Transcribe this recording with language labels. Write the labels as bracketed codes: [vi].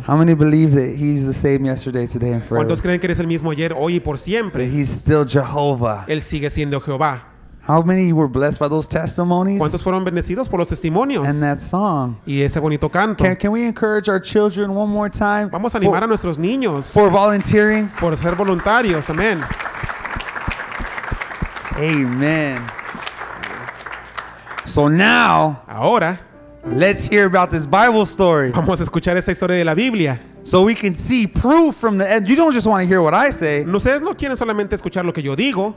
[en] How many believe that He's the same yesterday, today, and forever? [es] ¿Cuántos creen que eres el mismo ayer, hoy y por siempre? [en] He's still Jehovah. [es] Él sigue siendo Jehová. [en] How many were blessed by those testimonies? [es] ¿Cuántos fueron bendecidos por los testimonios? [en] And that song. [es] Y ese bonito canto. [en] Can we encourage our children one more time? [es] Vamos a animar a nuestros niños. [en] For volunteering. [es] Por ser voluntarios. Amen. [en] Amen. So now, [es] ahora, [en] let's hear about this Bible story. [es] Vamos a escuchar esta historia de la Biblia. [en] So we can see proof from the end. You don't just want to hear what I say. [es] Ustedes no quieren solamente escuchar lo que yo digo.